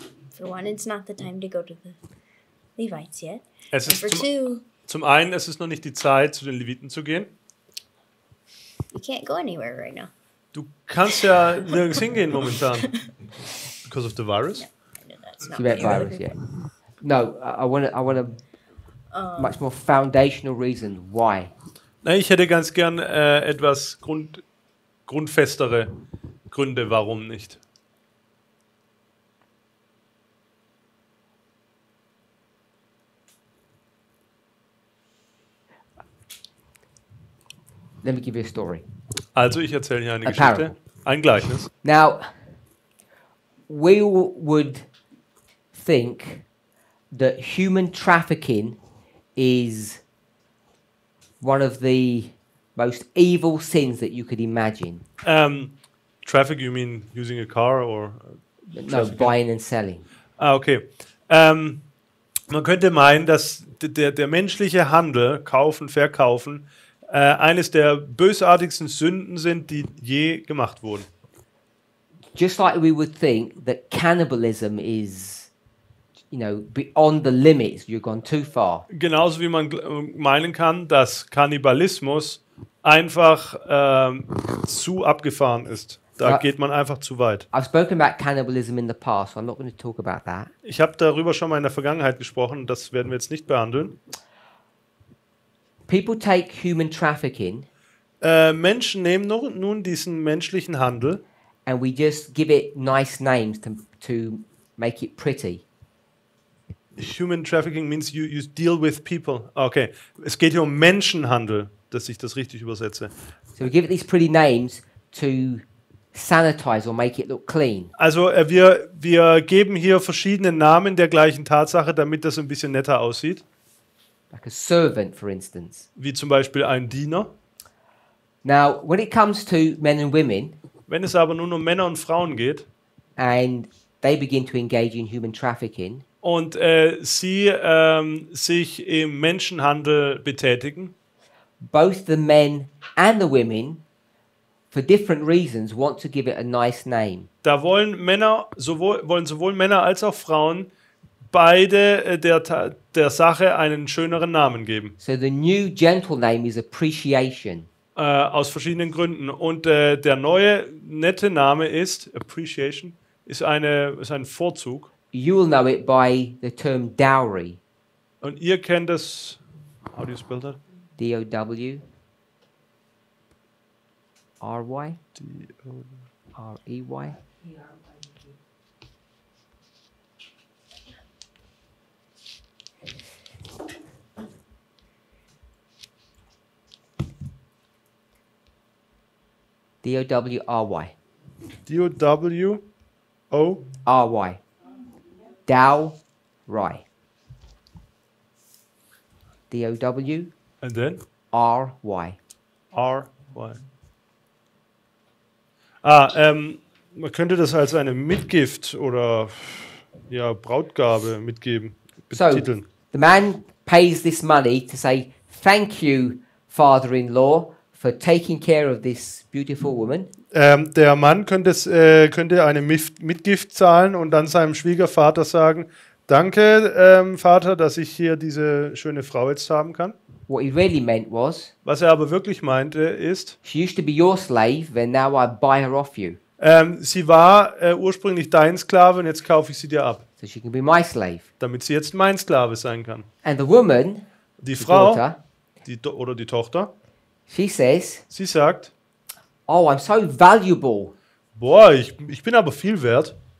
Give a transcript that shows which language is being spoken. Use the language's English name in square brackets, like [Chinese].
[English] For one, it's not the time to go to the Levites yet. [German] Es ist zum einen, es ist noch nicht die Zeit, zu den Leviten zu gehen. [English] You can't go anywhere right now. [German] Du kannst ja nirgends hingehen momentan. [English] Because of the virus? No, that's not the virus, yeah. No, I want a much more foundational reason why. [German] Nein, ich hätte ganz gern etwas grundfestere Gründe, warum nicht. [English] Let me give you a story. [German] Also, ich erzähle hier eine Geschichte, ein Gleichnis. [English] Now, we would think that human trafficking is one of the most evil sins that you could imagine. Traffic, you mean using a car or? No, buying and selling. Ah, okay. [German] Man könnte meinen, dass der menschliche Handel, kaufen, verkaufen, eines der bösartigsten Sünden sind, die je gemacht wurden. [English] Just like we would think that cannibalism is, you know, beyond the limits, you've gone too far. [German] Genauso wie man meinen kann, dass Kannibalismus einfach zu abgefahren ist. Da geht man einfach zu weit. [English] I've spoken about cannibalism in the past, so I'm not going to talk about that. [German] Ich habe darüber schon mal in der Vergangenheit gesprochen, das werden wir jetzt nicht behandeln. [English] People take human trafficking. [German] Menschen nehmen nun diesen menschlichen Handel. [English] And we just give it nice names to make it pretty. Human trafficking means you deal with people. [German] Okay, es geht hier um Menschenhandel, dass ich das richtig übersetze. [English] So we give it these pretty names to sanitize or make it look clean. [German] Also wir geben hier verschiedene Namen der gleichen Tatsache, damit das ein bisschen netter aussieht. [English] Like a servant, for instance. [German] Wie zum Beispiel ein Diener. [English] Now, when it comes to men and women. [German] Wenn es aber nur um Männer und Frauen geht. [English] And they begin to engage in human trafficking. [German] Und sie sich im Menschenhandel betätigen. [English] Both the men and the women, for different reasons, want to give it a nice name. [German] Da wollen sowohl Männer als auch Frauen beide der Sache einen schöneren Namen geben. [English] So the new gentle name is appreciation. [German] Aus verschiedenen Gründen. Und der neue nette Name ist appreciation, ist ein Vorzug. [English] You will know it by the term dowry. [German] Und ihr kennt das, [English] how do you spell that? D-O-W-R-Y? R-E-Y? D-O-W-R-Y. D-O-W-O? R-Y. Dow Rye. D-O-W. And then? R-Y. R-Y. [German] Ah, man könnte das als eine Mitgift oder ja, Brautgabe mitgeben, betiteln. [English] So, the man pays this money to say, thank you, father-in-law, for taking care of this beautiful woman. [German] Der Mann könnte eine Mitgift zahlen und dann seinem Schwiegervater sagen, danke, Vater, dass ich hier diese schöne Frau jetzt haben kann. [English] What he really meant was, [German] was er aber wirklich meinte ist, [English] she used to be your slave, and now I buy her off you. [German] Sie war ursprünglich dein Sklave und jetzt kaufe ich sie dir ab. [English] So she can be my slave. [German] Damit sie jetzt mein Sklave sein kann. [English] And the woman, [German] die Frau, [English] daughter, [German] die Tochter, [English] she says, [German] sie sagt, [English] oh, I'm so valuable. [German] Boah, ich bin aber viel wert.